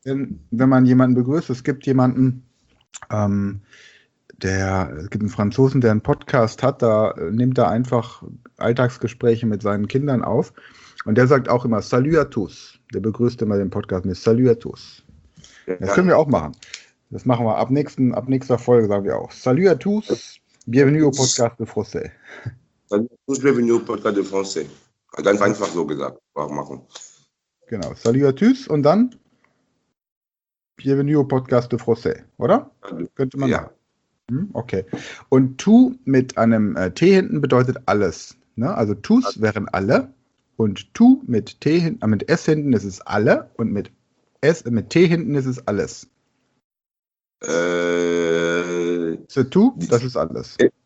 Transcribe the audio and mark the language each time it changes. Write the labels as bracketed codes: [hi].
[de] wenn man jemanden begrüßt, es gibt jemanden, es gibt einen Franzosen, der einen Podcast hat, da nimmt er einfach Alltagsgespräche mit seinen Kindern auf. Und der sagt auch immer, [fr] Salut à tous. [de] Der begrüßt immer den Podcast mit [fr] Salut à tous. [de] Das können Ja. wir auch machen. Das machen wir ab nächster Folge, sagen wir auch. [fr] Salut à tous, bienvenue au podcast de français. Dann tous les venus au portrait de français. [de] Ganz einfach so gesagt, warum machen? Genau, [fr] salut à tous [de] und dann [fr] bienvenue au podcast de français, [de] oder? Könnte man machen. Ja. Okay. Und tu mit einem T hinten bedeutet alles, ne? Also tus wären alle und tu mit T hinten, mit S hinten ist es alle und mit S mit T hinten ist es alles. [fr] C'est tout, [de] das ist alles.